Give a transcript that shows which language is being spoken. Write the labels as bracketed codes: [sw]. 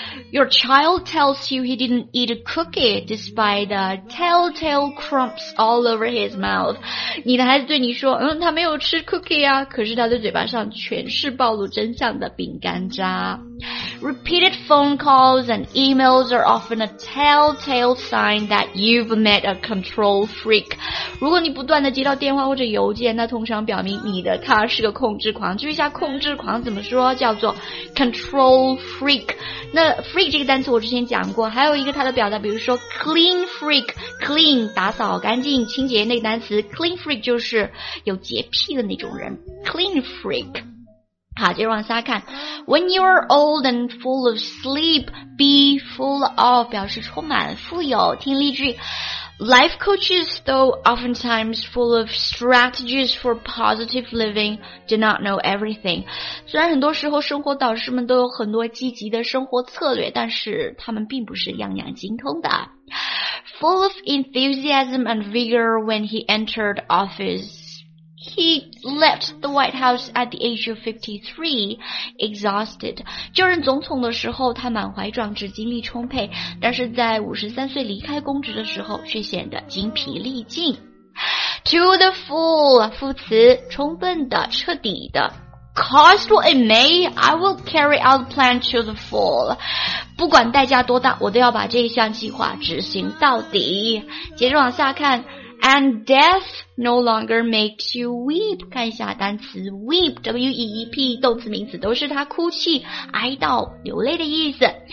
[en] Your child tells you he didn't eat a cookie despite the telltale crumbs all over his mouth. [zh] 你的孩子对你说，他没有吃 cookie 啊，可是他的嘴巴上全是暴露真相的饼干渣。 [en] Repeated phone calls and emails are often a telltale sign that you've met a control freak. [zh] 如果你不断地接到电话或者邮件，那通常表明你的他是个控制狂。注意一下控制狂怎么说，叫做 control freak。那 freak 这个单词我之前讲过，还有一个它的表达，比如说 clean freak， clean 打扫干净清洁，那个单词 clean freak 就是有洁癖的那种人， clean freak。好，接着往下看。 [en] When you're old and full of sleep, be full of [zh] 表示充满富有。听例句。 [en] Life coaches, though oftentimes full of strategies for positive living, do not know everything. [zh] 虽然很多时候生活导师们都有很多积极的生活策略，但是他们并不是样样精通的。 [en] Full of enthusiasm and vigor when he entered office. He left the White House at the age of 53, exhausted. [zh] 就任总统的时候他满怀壮志精力充沛，但是在53岁离开公职的时候却显得精疲力尽。 [en] To the full, [zh] 副词，充分的，彻底的。 [en] Cost what it may, I will carry out the plan to the full. [zh] 不管代价多大，我都要把这项计划执行到底。接着往下看。 [en] And death no longer makes you weep. [zh] 看一下单词 weep, W-E-E-P, 动词名词都是他哭泣、哀悼、流泪的意思。